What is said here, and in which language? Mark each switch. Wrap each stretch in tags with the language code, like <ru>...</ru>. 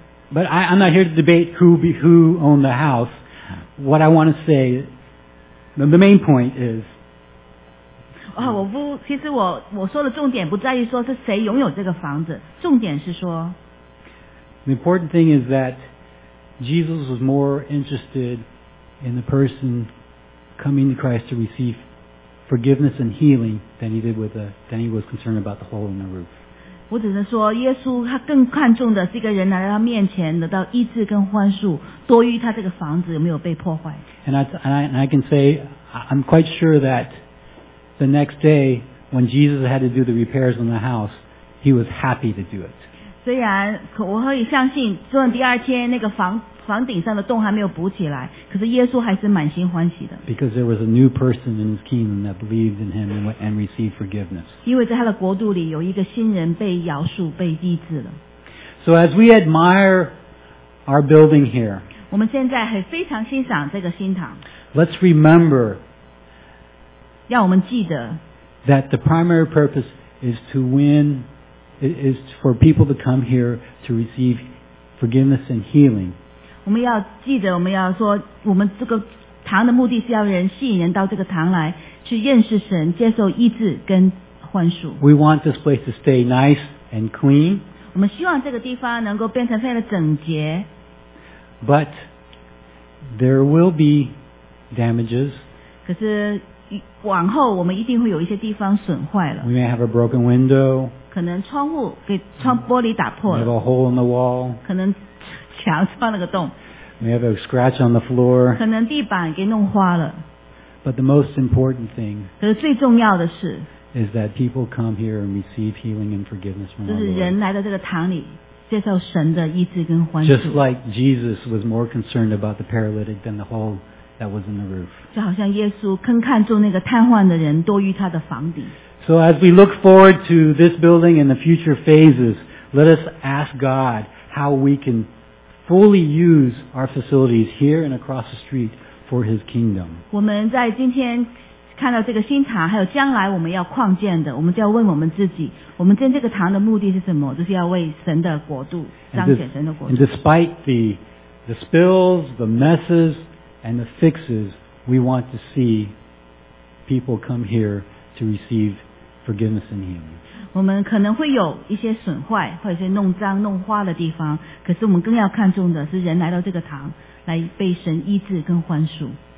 <en>But I'm not here to debate who owned the house. What I want to say, the main point is,</en> <zh>其实我说的重点不在于说是谁拥有这个房子，重点是说</zh> <en>The important thing is that Jesus was more interested in the person coming to Christ to receive forgiveness and healing than he was concerned about the hole in the roof.</en> <zh>我只能说耶稣他更看重的是一个人来到他面前得到医治跟宽恕，多于他这个房子有没有被破坏。</zh> <en>And I can say I'm quite sure thatThe next day, when Jesus had to do the repairs on the house, he was happy to do it.</en> <zh>虽然我可以相信，虽然第二天那个房顶上的洞还没有补起来，可是耶稣还是满心欢喜的。</zh> <en>Because there was a new person in his kingdom that believed in him and received forgiveness.</en> <zh>因为在他的国度里有一个新人被饶恕、被医治了。</zh> <en>So as we admire our building here,</en> <zh>我们现在很非常欣赏这个新堂。</zh> <en>Let's remember.</en> <zh>让我们记得</zh> <en>that the primary purpose is for people to come here to receive forgiveness and healing.</en> <zh>我们要记得，我们要说，我们这个堂的目的是要人吸引人到这个堂来，去认识神，接受医治跟宽恕。</zh> <en>We want this place to stay nice and clean.</en> <zh>我们希望这个地方能够变成非常的整洁。</zh> <en>But there will be damages.</en> <zh>可是往后我们一定会有一些地方损坏了。</zh> <en>We may have a broken window.</en> <zh>可能窗户给窗玻璃打破了。</zh> <en>We have a hole in the wall.</en> <zh>可能墙穿了个洞。</zh> <en>We have a scratch on the floor.</en> <zh>可能地板给弄花了。</zh> <en>But the most important thing.</en> <zh>可是最重要的是。</zh> <en>Is that people come here and receive healing and forgiveness from our Lord.</en> <zh>就是人来到这个堂里接受神的医治跟欢恕。</zh> <en>Just like Jesus was more concerned about the paralytic than the hole. That was in the roof.</en> <zh>就好像耶稣更看重那个瘫痪的人多于他的房顶。</zh> <en>So as we look forward to this building and the future phases, let us ask God how we can fully use our facilities here and across the street for His kingdom.</en> <zh>我们在今天看到这个新堂，还有将来我们要扩建的，我们就要问我们自己：我们建这个堂的目的是什么？就是要为神的国度彰显神的国度。</zh> <en>And despite the spills, the messes. And the fixes, we want to see people come here to receive forgiveness and healing.</en> <zh>我们可能会有一些损坏，或者是弄脏、弄花的地方，可是我们更要看重的是人来到这个堂来被神医治跟宽恕。</zh>